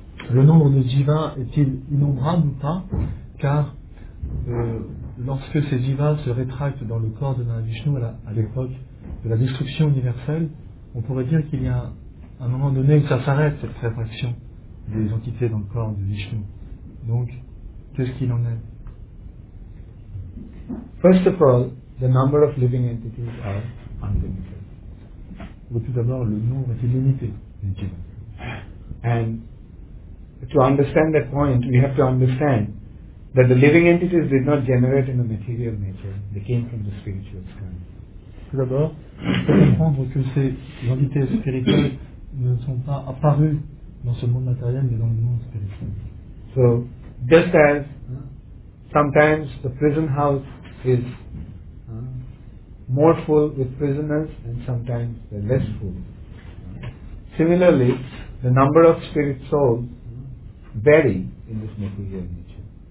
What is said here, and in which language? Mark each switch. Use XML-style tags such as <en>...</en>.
<fr>Est-il innombrable ou pas? Car lorsque ces jivas se rétractent dans le corps de Mahavishnu à l'époque de la destruction universelle, on pourrait dire qu'il y a un moment donné où ça s'arrête, cette rétraction des entités dans le corps de Vishnu. Donc, qu'est-ce qu'il en est?</fr> <en>First of all, the number of living entities are unlimited.</en> <fr>Mais tout d'abord, le nombre est illimité.</fr> <en>And to understand that point, we have to understand that the living entities did not generate in the material nature; they came from the spiritual sky.</en> <fr>D'abord, comprendre que ces entités spirituelles ne sont pas apparues dans ce monde matériel, mais dans le monde spirituel.</fr> <en>So, just as sometimes the prison house is more full with prisoners, and sometimes they're less full. Similarly, the number of spirit souls vary in this material nature.</en>